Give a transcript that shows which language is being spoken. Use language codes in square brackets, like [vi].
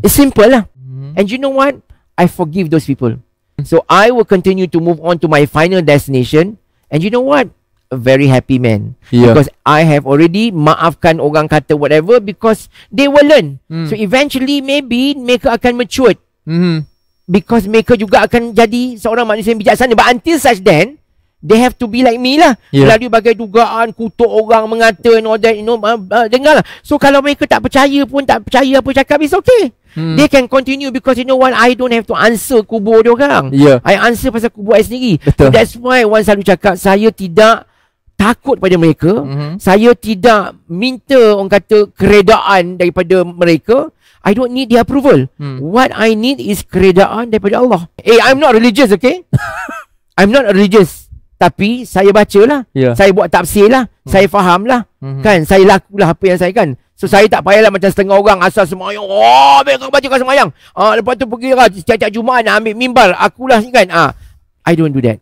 [en] It's simple lah. And you know what? I forgive those people. So I will continue to move on to my final destination. And you know what? A very happy man. Yeah. Because I have already [ms] maafkan orang kata [en] whatever, because they will learn. So eventually maybe [ms] mereka akan [en] mature. [ms] Because mereka juga akan jadi seorang manusia yang bijaksana. [en] But until such then, they have to be like me lah. [ms] Melalui bagai dugaan, kutuk orang, mengata [en] and all that, you know, [ms] dengar lah. [en] So [ms] kalau mereka tak percaya pun, tak percaya apa cakap, [en] it's okay. They can continue, because you know what, I don't have to answer [ms] kubur diorang. Yeah. I answer pasal kubur I sendiri. Betul. [en] So that's why [ms] Wan selalu cakap, saya tidak takut pada mereka. Saya tidak minta orang kata keredaan daripada mereka. [en] I don't need the approval. What I need is [ms] keredaan daripada Allah. [en] Eh, I'm not religious, okay? I'm not religious. [ms] Tapi saya bacalah. Saya buat tafsir lah. Saya fahamlah. Kan, saya lakulah apa yang saya kan. So saya tak payahlah macam setengah orang asal semayang. Oh, mereka baca kan semayang. Lepas tu pergi lah setiap Jumaat nak ambil mimbar. Akulah kan. [en] I don't do that.